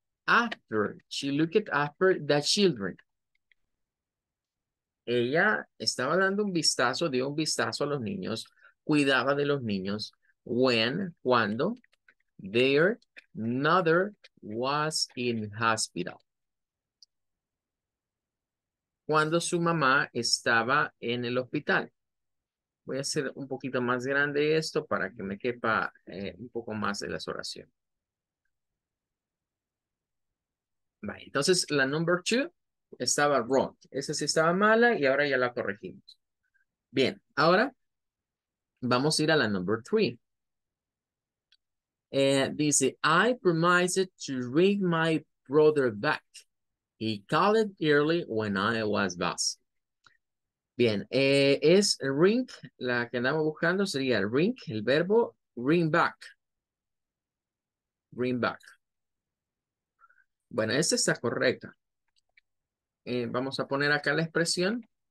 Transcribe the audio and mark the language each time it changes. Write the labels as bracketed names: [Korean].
[English] After, she looked at after the children. [Spanish] Ella estaba dando un vistazo, dio un vistazo a los niños, cuidaba de los niños. [English] When, cuando, their mother was in hospital. [Spanish] Cuando su mamá estaba en el hospital. Voy a hacer un poquito más grande esto para que me quepa un poco más de las oraciones. Vale, entonces la number two estaba wrong. Esa sí estaba mala y ahora ya la corregimos. Bien, ahora vamos a ir a la number three. [English] Dice, I promised to bring my brother back. He called early when I was busy. [Spanish] Bien, es ring, la que andamos buscando sería ring, el verbo ring back. Ring back. Bueno, esta está correcta. Vamos a poner acá la expresión.